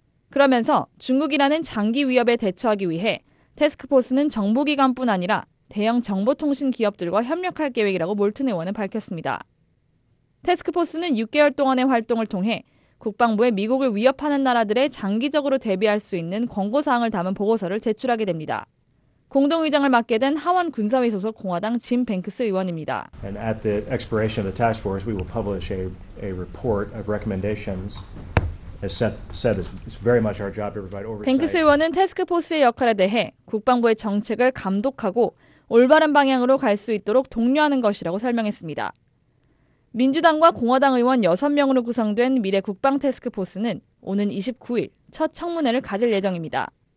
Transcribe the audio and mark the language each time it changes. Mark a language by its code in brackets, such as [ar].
[ko] 그러면서 중국이라는 장기 위협에 대처하기 위해 태스크포스는 정보기관뿐 아니라 대형 정보통신 기업들과 협력할 계획이라고 몰튼 의원은 밝혔습니다. 태스크포스는 6개월 동안의 활동을 통해 국방부에 미국을 위협하는 나라들의 장기적으로 대비할 수 있는 권고사항을 담은 보고서를 제출하게 됩니다. 공동의장을 맡게 된 하원 군사위 소속 공화당 짐 뱅크스 의원입니다. [en] And at the expiration of the task force, we will publish a report of recommendations. As said, it's very much our job to provide oversight. [ko] 뱅크스 의원은 태스크포스의 역할에 대해 국방부의 정책을 감독하고 올바른 방향으로 갈 수 있도록 독려하는 것이라고 설명했습니다. 민주당과 공화당 의원 6명으로 구성된 미래 국방 태스크포스는 오는 29일 첫 청문회를 가질 예정입니다.